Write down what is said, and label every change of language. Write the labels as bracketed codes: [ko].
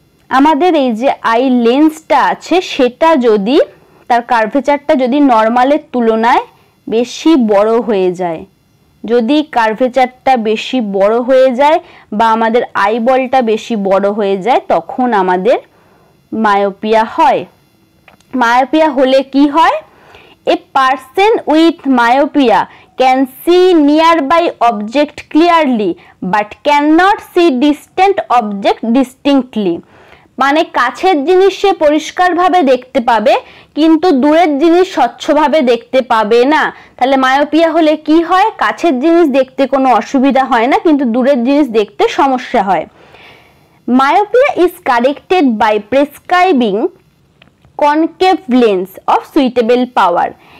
[bn] আমাদের এই যে আই লেন্সটা আছে, সেটা যদি, তার কার্ভেচারটা যদি নর্মালের তুলনায় বেশি বড় হয়ে যায়, যদি কার্ভেচারটা বেশি বড় হয়ে যায় বা আমাদের আইবলটা বেশি বড় হয়ে যায়, তখন আমাদের মায়োপিয়া হয়। মায়োপিয়া হলে কি হয়? [en] A person with myopia can see nearby object clearly but cannot see distant object distinctly. [bn] মানে কাছের জিনিস সে পরিষ্কারভাবে দেখতে পাবে কিন্তু দূরের জিনিস স্বচ্ছভাবে দেখতে পাবে না। তাহলে মায়োপিয়া হলে কি হয়, কাছের জিনিস দেখতে কোনো অসুবিধা হয় না কিন্তু দূরের জিনিস দেখতে সমস্যা হয়। [en] Myopia is corrected by prescribing concave lens of suitable power.